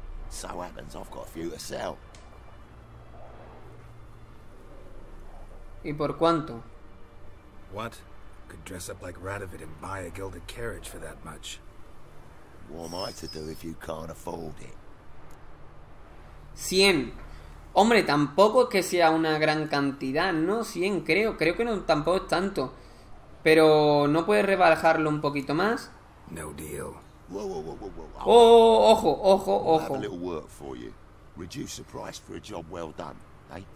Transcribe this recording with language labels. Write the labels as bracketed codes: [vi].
[en] So happens I've got a few to sell. [es] ¿Y por cuánto? [en] What? Could dress up like Radovid and buy a gilded carriage for that much? What am I to do if you can't afford it? 100. [es] Hombre, tampoco es que sea una gran cantidad, ¿no? 100, creo que no, tampoco es tanto. Pero no puedes rebajarlo un poquito más. [en] No deal. [es] Ojo. [en] Have a little work for you. Reduce the price for a job well done, eh?